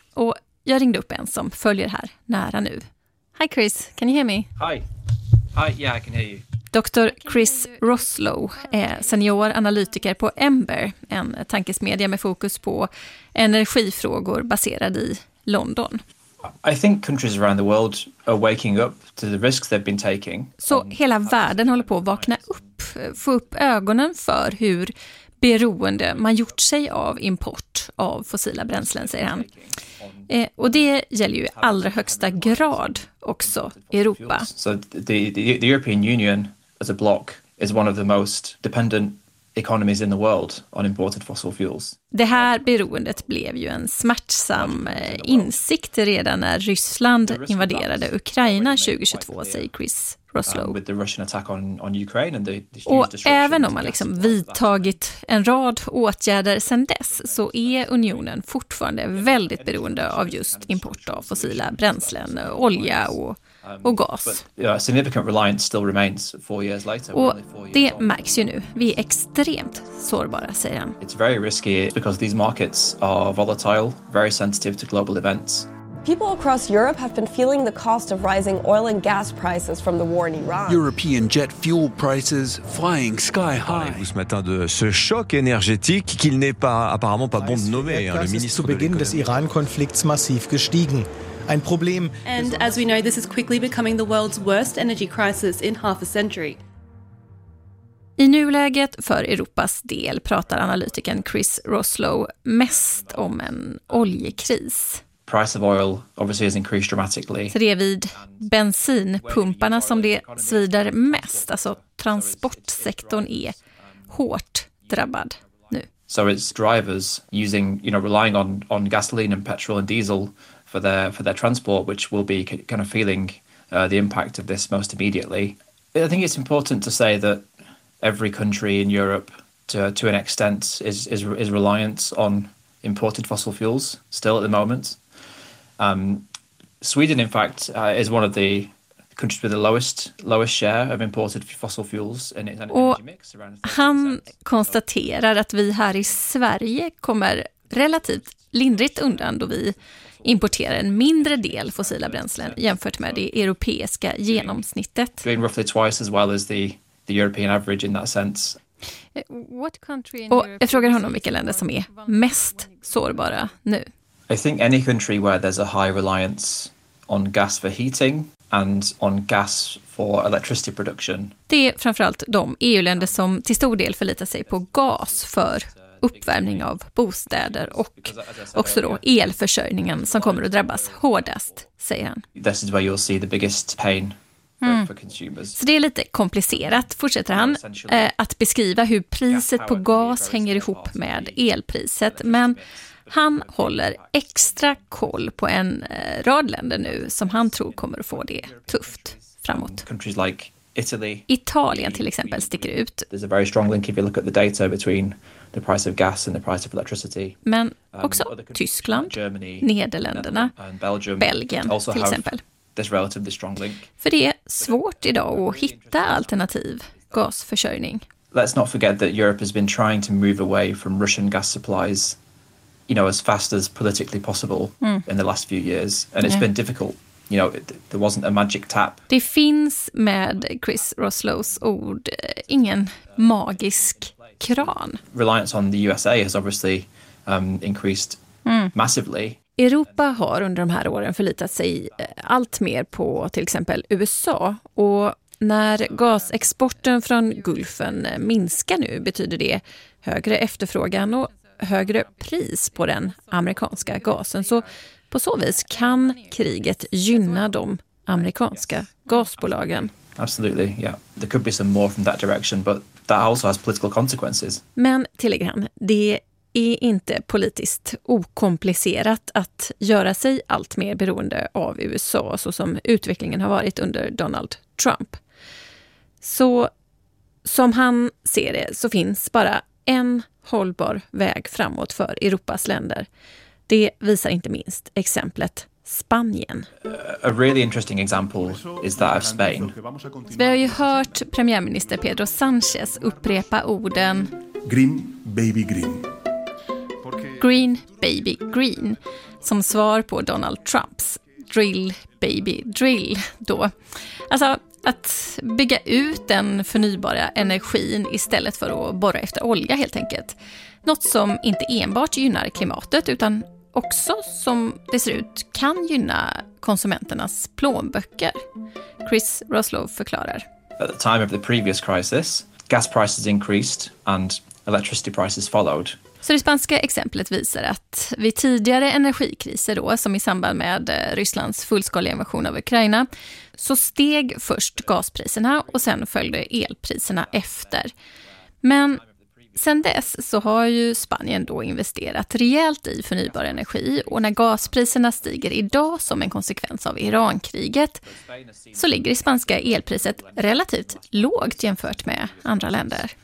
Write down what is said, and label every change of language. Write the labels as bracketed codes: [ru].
[sv] Och jag ringde upp en som följer här nära nu. [en] Hi Chris, can you hear me? Hi, yeah, I can hear you. [sv] Dr. Chris Roslow är senior analytiker på Ember, en tankesmedja med fokus på energifrågor baserad i London. [en] I think countries around the world are waking up to the risks they've been taking. [sv] Så hela världen håller på att vakna upp, få upp ögonen för hur beroende man gjort sig av import av fossila bränslen, säger han. Och det gäller ju allra högsta grad också Europa. [en] So the European Union as a block is one of the most dependent economies in the world on imported fossil fuels. [sv] Det här beroendet blev ju en smärtsam insikt redan när Ryssland invaderade Ukraina 2022, säger Chris Roslow. [en] With the Russian attack on Ukraine and the [sv] och även om man liksom vidtagit en rad åtgärder sedan dess, så är unionen fortfarande väldigt beroende av just import av fossila bränslen, olja och gas. [en] Significant reliance still remains 4 years later. [sv] Och det märks ju nu. Vi är extremt sårbara, säger han. [en] It's very risky because these markets are volatile, very sensitive to global events. People across Europe have been feeling the cost of rising oil and gas prices from the war in Iran. European jet fuel prices flying sky high. [fr] Ce matin de ce choc énergétique qu'il n'est pas apparemment pas bon de nommer, hein, le ministre [de] zu Beginn des Iran-Konflikts massiv gestiegen. Ein Problem. [en] And as we know, this is quickly becoming the world's worst energy crisis in half a century. [sv] I nuläget för Europas del pratar analytikern Chris Roslow mest om en oljekris. [en] Price of oil obviously has increased dramatically. [sv] Så det är vid bensinpumparna som det svider mest. Alltså transportsektorn är hårt drabbad nu. [en] So it's drivers using, you know, relying on gasoline and petrol and diesel for their transport, which will be kind of feeling the impact of this most immediately. I think it's important to say that every country in Europe, to an extent, is reliant on imported fossil fuels still at the moment. Sweden, in fact, is one of the countries with the lowest share of imported fossil fuels in its energy mix. [sv] Han konstaterar att vi här i Sverige kommer relativt lindrigt undan då vi importerar en mindre del fossila bränslen jämfört med det europeiska genomsnittet. [en] Doing roughly twice as well as the European average in that sense. What country in Europe? [sv] Och jag frågar honom vilka länder som är mest sårbara nu. [en] I think any country where there's a high reliance on gas for heating and on gas for electricity production. [sv] Det är framförallt de EU-länder som till stor del förlitar sig på gas för uppvärmning av bostäder och också då elförsörjningen som kommer att drabbas hårdast, säger han. [en] This is where you'll see the biggest pain for consumers. [sv] Så det är lite komplicerat, fortsätter han, att beskriva hur priset på gas hänger ihop med elpriset, men han håller extra koll på en rad länder nu som han tror kommer att få det tufft framåt. [en] Countries like Italy. [sv] Italien till exempel sticker ut. [en] There's a very strong link if you look at the data between the price of gas and the price of electricity. [sv] Men också Tyskland, Germany, Nederländerna, Belgien till exempel. [en] This relatively strong link. [sv] För det är svårt idag att hitta alternativ gasförsörjning. [en] Let's not forget that Europe has been trying to move away from Russian gas supplies, you know, as fast as politically possible in the last few years, and it's been difficult. You know, there wasn't a magic tap. [sv] Det finns, med Chris Roslows ord, ingen magisk kran. [en] Reliance on the USA has obviously increased massively. [sv] Europa har under de här åren förlitat sig allt mer på till exempel USA, och när gasexporten från Gulfen minskar nu betyder det högre efterfrågan och högre pris på den amerikanska gasen. Så på så vis kan kriget gynna de amerikanska gasbolagen. [en] Absolutely, yeah. There could be some more from that direction, but that also has political consequences. [sv] Men tillägger han, det är inte politiskt okomplicerat att göra sig allt mer beroende av USA, så som utvecklingen har varit under Donald Trump. Så som han ser det, så finns bara en hållbar väg framåt för Europas länder. Det visar inte minst exemplet Spanien. [en] A really interesting example is that of Spain. [sv] Så vi har ju hört premiärminister Pedro Sanchez upprepa orden [en] green baby green. Green baby green, [sv] som svar på Donald Trumps [en] drill baby drill [sv] då. Alltså att bygga ut den förnybara energin istället för att borra efter olja helt enkelt. Något som inte enbart gynnar klimatet utan också, som det ser ut, kan gynna konsumenternas plånböcker. Chris Roslow förklarar. [en] At the time of the previous crisis, gas prices increased and electricity prices followed. [sv] Så det spanska exemplet visar att vid tidigare energikriser då, som i samband med Rysslands fullskaliga invasion av Ukraina, så steg först gaspriserna och sen följde elpriserna efter. Men Sen dess så har ju Spanien då investerat rejält i förnybar energi, och när gaspriserna stiger idag som en konsekvens av Irankriget så ligger det spanska elpriset relativt lågt jämfört med andra länder.